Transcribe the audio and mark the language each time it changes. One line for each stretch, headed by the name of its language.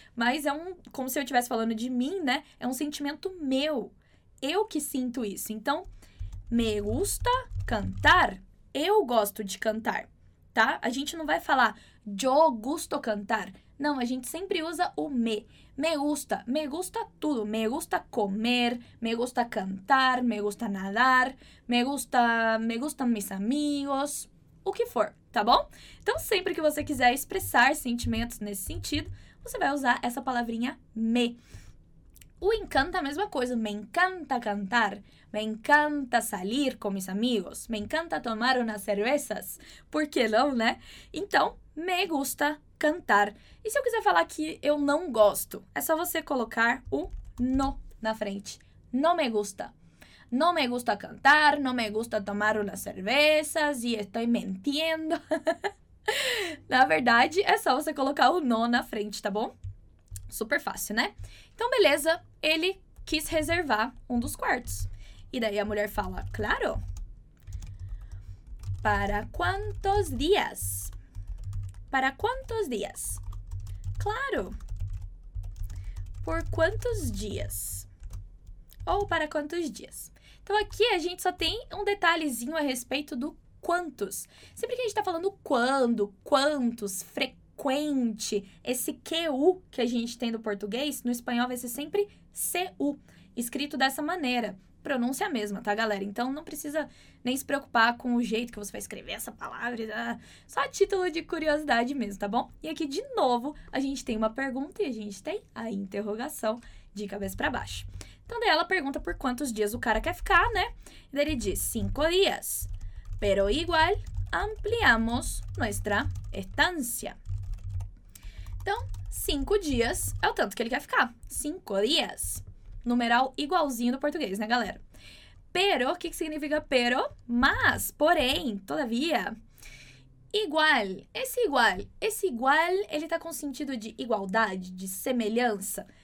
Portuguese: Mas é um, como se eu estivesse falando de mim, né? É um sentimento meu, eu que sinto isso. Então,
Spanish: me gusta cantar,
Portuguese: eu gosto de cantar, tá? A gente não vai falar,
Spanish: yo gusto cantar.
Portuguese: Não, a gente sempre usa o me.
Spanish: Me gusta tudo. Me gusta comer, me gusta cantar, me gusta nadar, me gustan mis amigos,
Portuguese: o que for, tá bom? Então, sempre que você quiser expressar sentimentos nesse sentido, você vai usar essa palavrinha me. O encanta é a mesma coisa.
Spanish: Me encanta cantar, me encanta salir com mis amigos, me encanta tomar unas cervezas.
Portuguese: Por que não, né? Então,
Spanish: me gusta cantar.
Portuguese: E se eu quiser falar que eu não gosto, é só você colocar o no na frente.
Spanish: No me gusta. No me gusta cantar, no me gusta tomar unas cervezas y estoy mintiendo. Na verdade, é só você colocar o no na frente, tá bom? Super fácil, né?
Portuguese: Então, beleza, ele quis reservar um dos quartos. E daí a mulher fala, claro. Para quantos dias? Para quantos dias? Claro. Por quantos dias? Ou para quantos dias? Então, aqui a gente só tem um detalhezinho a respeito do quantos. Sempre que a gente está falando quando, quantos, frequentes, quente. Esse QU que a gente tem do português, no espanhol vai ser sempre CU, escrito dessa maneira. Pronúncia a mesma, tá, galera? Então, não precisa nem se preocupar com o jeito que você vai escrever essa palavra. Só a título de curiosidade mesmo, tá bom? E aqui, de novo, a gente tem uma pergunta e a gente tem a interrogação de cabeça pra baixo. Então, daí ela pergunta por quantos dias o cara quer ficar, né? E daí ele diz, 5 dias.
Spanish: Pero igual ampliamos nuestra estancia.
Portuguese: Então, 5 dias é o tanto que ele quer ficar. 5 dias. Numeral igualzinho do português, né, galera? Pero, o que, que significa pero? Mas, porém, todavia. Igual, esse igual, ele tá com sentido de igualdade, de semelhança?